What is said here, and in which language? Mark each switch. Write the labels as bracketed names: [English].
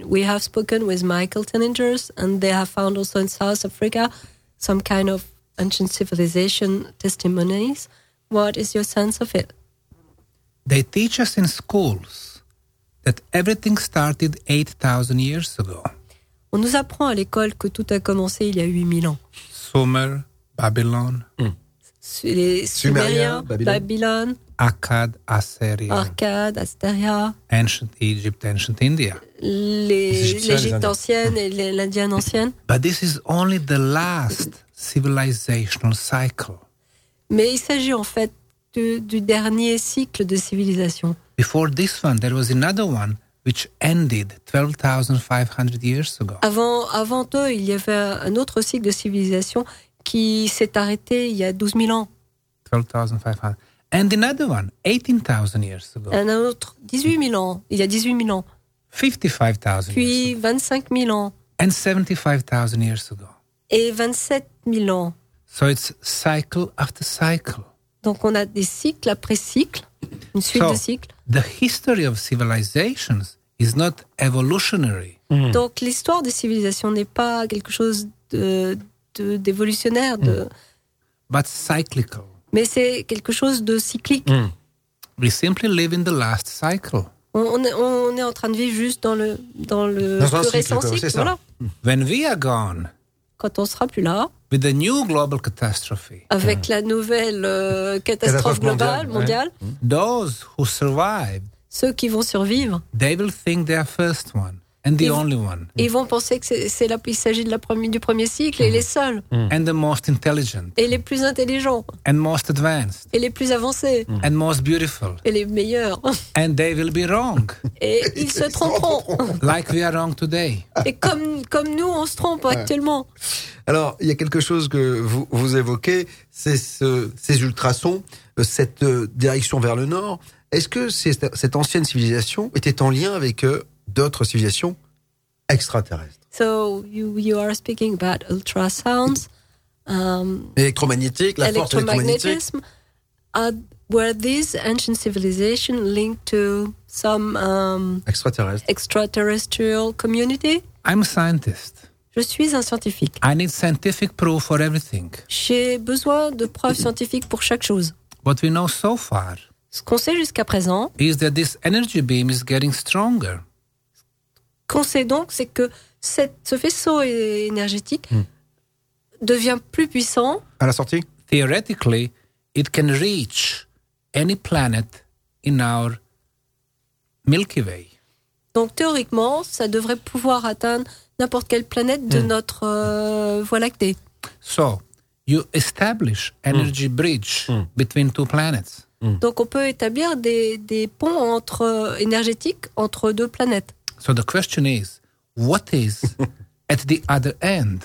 [English] We have spoken with Michael Tellinger, and they have found also in South Africa some kind of ancient civilization testimonies. What is your sense of it? They teach us in schools that everything started 8,000 years ago. [French] On nous apprend à l'école que tout a commencé il y a 8000 ans. [English] Sumer, Babylon. [French] Les Sumériens, Babylon. [English] Akkad, Assyria. [French] Akkad, Assyria. [English] Ancient Egypt, ancient India. [French] L'Égypte ancienne et l'Indienne ancienne. [English] But this is only the last civilizational cycle. [French] Mais il s'agit en fait du dernier cycle de civilisation. [English] Before this one, there was another one which ended 12,500 years ago. [French] Avant eux, il y avait un autre cycle de civilisation qui s'est arrêté il y a 12 000 ans. [English] 12,500. And another one, 18,000 years ago. [French] Un autre, 18 000 ans, il y a 18 000 ans. [English] 55,000 years ago. [French] Puis 25 000 ans. [English] And 75,000 years ago. [French] Et 27 000 ans. [English] So it's cycle after cycle. [French] Donc on a des cycles après cycles, une suite de cycles. [English] The history of civilizations is not evolutionary. Mm. [French] Donc l'histoire des civilisations n'est pas quelque chose d'évolutionnaire. De... [English] Mm. But cyclical. [French] Mais c'est quelque chose de cyclique. [English] Mm. We simply live in the last cycle. [French] On est en train de vivre juste dans le plus récent cycle. C'est ça. Voilà. [English] When we are gone. [French] Quand on sera plus là. [English] With the new global catastrophe. [French] Avec la nouvelle catastrophe mondiale. [English] Hein? Those who survive. [French] Ceux qui vont survivre. [English] They will think they are first one and the only one. [French] Ils vont penser que il s'agit de la première du premier cycle et les seuls. [English] Mm. And the most intelligent. [French] Et les plus intelligents. [English] And most advanced. [French] Et les plus avancés. [English] Mm. And most beautiful. [French] Et les meilleurs. [English] And they will be wrong. [French] Et ils se tromperont. [English] Like we are wrong today. [French] Et comme nous on se trompe actuellement. Alors, il y a quelque chose que vous évoquez, c'est ces ultrasons, cette direction vers le nord. Est-ce que cette ancienne civilisation était en lien avec d'autres civilisations extraterrestres? [English] So, you are speaking about ultrasounds. [French] Électromagnétique, la force électromagnétique. [English] Were these ancient civilizations linked to some... extraterrestrial community? I'm a scientist. [French] Je suis un scientifique. [English] I need scientific proof for everything. [French] J'ai besoin de preuves scientifiques pour chaque chose. [English] What we know so far. [French] Ce qu'on sait jusqu'à présent. [English] Is that this energy beam is getting stronger. [French] Ce qu'on sait donc, c'est que ce faisceau énergétique devient plus puissant. À la sortie. [English] Theoretically, it can reach any planet in our Milky Way. [French] Donc théoriquement, ça devrait pouvoir atteindre n'importe quelle planète de notre Voie lactée. [English] So, you establish energy bridge between two planets. Mm. [French] Donc, on peut établir des ponts énergétiques entre deux planètes. [English] So, the question is, what is at the other end?